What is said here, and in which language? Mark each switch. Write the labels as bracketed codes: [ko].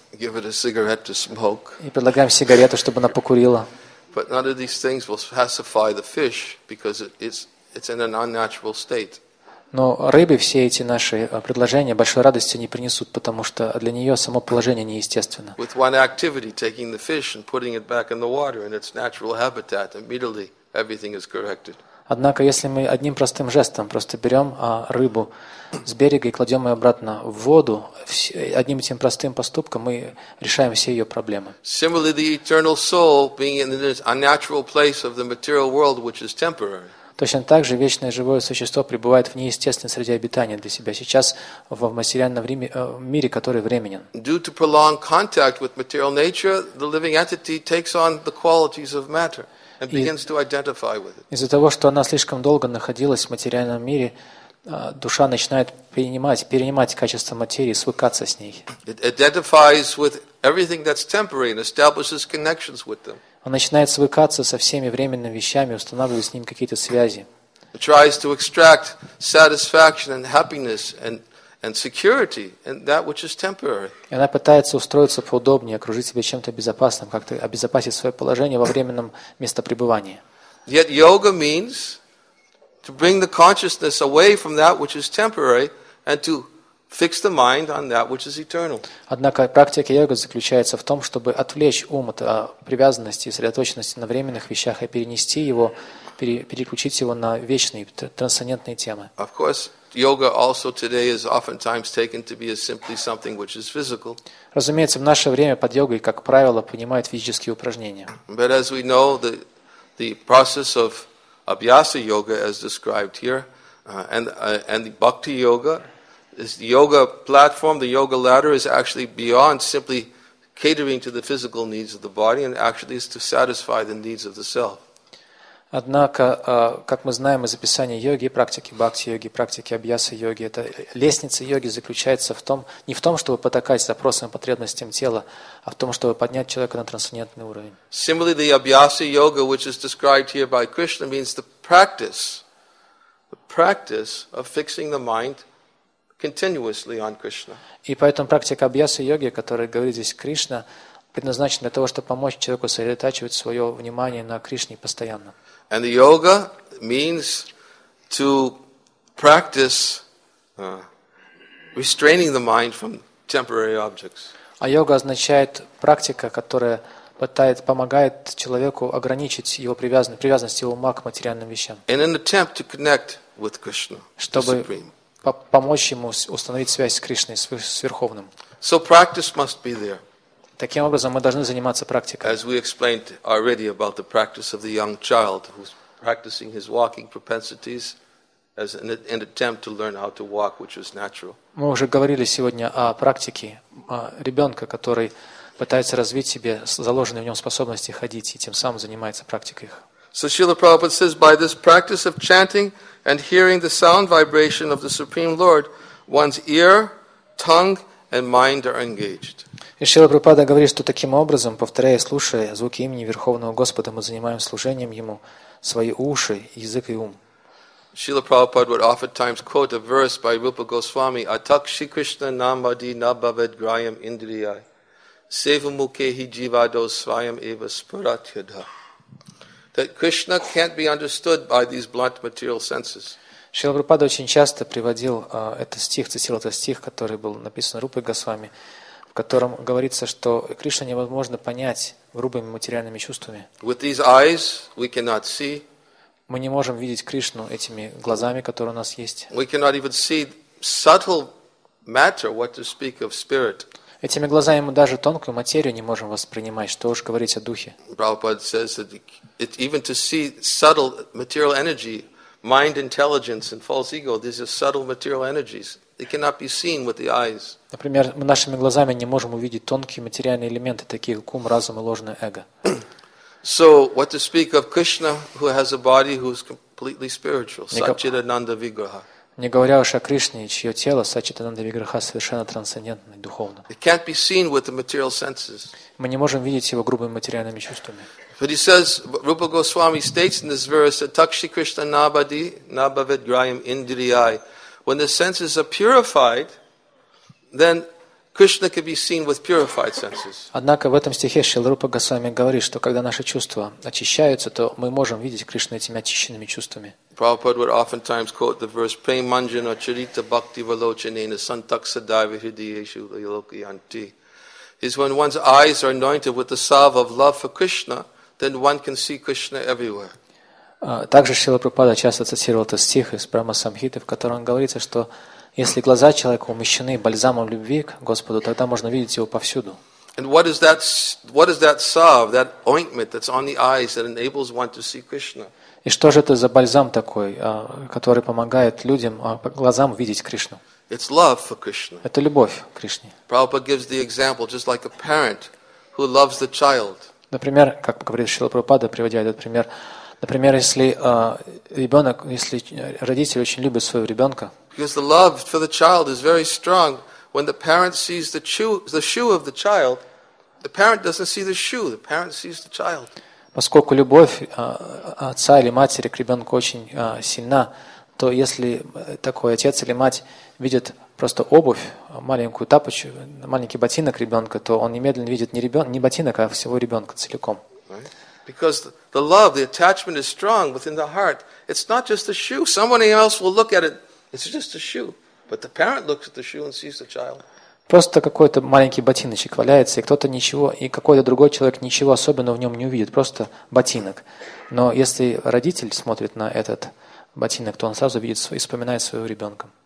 [en] Give it a cigarette to smoke. [ru] И предлагаем сигарету, чтобы она покурила. [en] But none of these things will pacify the fish because it's in an unnatural state. [ru] Но рыбе все эти наши предложения большой радости не принесут, потому что для нее само положение неестественно. [en] With one activity, taking the fish and putting it back in the water in its natural habitat, immediately everything is corrected. [ru] Однако, если мы одним простым жестом просто берем рыбу с берега и кладем ее обратно в воду, одним этим простым поступком мы решаем все ее проблемы. [en] Similarly, the eternal soul being in this unnatural place of the material world, which is temporary. [ru] Точно так же вечное живое существо пребывает в неестественной среде обитания для себя сейчас в материальном мире, который временен. [en] Due to prolonged contact with material nature, the living entity takes on the qualities of matter. And begins to identify with it. [ru] Из-за того, что она слишком долго находилась в материальном мире, душа начинает перенимать качество материи, свыкаться с ней. [en] It identifies with everything that's temporary and establishes connections with them. [ru] Она начинает свыкаться со всеми временными вещами, устанавливая с ними какие-то связи. [en] It tries to extract satisfaction and happiness and security and that which is temporary. [ru] И она пытается устроиться поудобнее, окружить себя чем-то безопасным, как-то обезопасить свое положение во временном местопребывании. [en] Yet yoga means to bring the consciousness away from that which is temporary and to fix the mind on that which is eternal. [ru] Однако практика йоги заключается в том, чтобы отвлечь ум от привязанности и сосредоточенности на временных вещах и переключить его на вечные трансцендентные темы. [en] Of course, Yoga also today is oftentimes taken to be as simply something which is physical. [ru] Разумеется, в наше время под йогой, как правило, понимают физические упражнения. [en] But as we know, the process of Abhyasa yoga, as described here, and Bhakti yoga, is the yoga platform, the yoga ladder, is actually beyond simply catering to the physical needs of the body, and actually is to satisfy the needs of the self. [ru] Однако, как мы знаем из описания йоги, практики бхакти-йоги, практики абьяса-йоги, это лестница йоги заключается в том, не в том, чтобы потакать запросам и потребностям тела, а в том, чтобы поднять человека на трансцендентный уровень. [en] Similarly, the abhyasa yoga, which is described here by Krishna, means the practice of fixing the mind continuously on Krishna. [ru] И поэтому практика абьяса-йоги, о которой говорит здесь Кришна, предназначена для того, чтобы помочь человеку сосредотачивать свое внимание на Кришне постоянно. [en] And the yoga means to practice restraining the mind from temporary objects. [ru] А йога означает практика, которая помогает человеку ограничить его привязанность его ума к материальным вещам. [en] In an attempt to connect with Krishna, [ru] чтобы [en] the Supreme. [ru] Помочь ему установить связь с Кришной, с Верховным. [en] So practice must be there. [ru] Таким образом, мы должны заниматься практикой. [en] As we explained already about the practice of the young child who's practicing his walking propensities as an attempt to learn how to walk, which was natural. [ru] Мы уже говорили сегодня о практике ребенка, который пытается развить в себе заложенные в нем способности ходить и тем самым занимается практикой их. [en] So Srila Prabhupada says, by this practice of chanting and hearing the sound vibration of the Supreme Lord, one's ear, tongue, and mind are engaged. [ru] И Шрила Прабхупада говорит, что таким образом, повторяя и слушая звуки имени Верховного Господа, мы занимаем служением Ему свои уши, язык и ум. [en] Шрила Прабхупада would oftentimes quote a verse by Rupa Goswami, [sa] Atak Shri Krishna Namadi Nabhaved Grayam Indriyai Seva Mukhehi Jivado Svayam Eva Spuratyadha. [en] That Krishna can't be understood by these blunt material senses. [ru] Шрила Прабхупада очень часто приводил цитировал этот стих, который был написан Рупой Госвами, в котором говорится, что Кришна невозможно понять грубыми материальными чувствами. [en] With these eyes, we cannot see. [ru] Мы не можем видеть Кришну этими глазами, которые у нас есть. [en] We cannot even see subtle matter, what to speak of spirit. [ru] Этими глазами мы даже тонкую материю не можем воспринимать, что уж говорить о духе. [en] Prabhupada says that it, even to see subtle material energy, mind intelligence and false ego, these are subtle material energies. They cannot be seen with the eyes. [ru] Например, мы нашими глазами не можем увидеть тонкие материальные элементы, такие как ум, разум и ложное эго. [en] So, what to speak of Krishna, who has a body who is completely spiritual, Satchitananda Vigraha. [ru] Не говоря уж о Кришне, чье тело, Сатчитананда Виграха, совершенно трансцендентное, духовно. [en] It can't be seen with the material senses. [ru] Мы не можем видеть его грубыми материальными чувствами. [en] But he says, Rupa Goswami states in this verse, that [sa] Takshi Krishna Nabadi Nabhaved Grayam Indriyai. [en] When the senses are purified, then Krishna can be seen with purified senses. [ru] Однако в этом стихе Шрила Рупа Госвами говорит, что когда наши чувства очищаются, то мы можем видеть Кришну этими очищенными чувствами. [en] Prabhupada would oftentimes quote the verse [sa] Prem Manjana Charita Bhakti Valochanena Santaksadaiva Hridayeshu Lokayanti. [en] Is when one's eyes are anointed with the salve of love for Krishna, then one can see Krishna everywhere. [ru] Также Шрила Прабхупада часто цитировал этот стих из Прама Самхиты, в котором говорится, что если глаза человека умещены бальзамом любви к Господу, тогда можно видеть его повсюду. [en] And what is that salve, that ointment that's on the eyes that enables one to see Krishna? [ru] И что же это за бальзам такой, который помогает людям глазам видеть Кришну? [en] It's love for Krishna. [ru] Это любовь к Кришне. [en] Prabhupada gives the example just like a parent who loves the child. [ru] Например, как говорит Шрила Прабхупада, приводя этот пример. Например, если ребенок, если родитель очень любит своего ребенка. [en] Because the love for the child is very strong. When the parent sees the shoe of the child, the parent doesn't see the shoe, the parent sees the child. [ru] Поскольку любовь отца или матери к ребенку очень сильна, то если такой отец или мать видит просто обувь, маленькую тапочку, маленький ботинок ребенка, то он немедленно видит не ботинок, а всего ребенка целиком. [en] Because the love, the attachment is strong within the heart. It's not just a shoe. Someone else will look at it. It's just a shoe. But the parent looks at the shoe and sees the child. [ru] Просто какой-то маленький ботиночек валяется, и кто-то ничего, и какой-то другой человек ничего особенного в нем не увидит. Просто ботинок. Но если родитель смотрит на этот ботинок, то он сразу видит и вспоминает своего ребенка.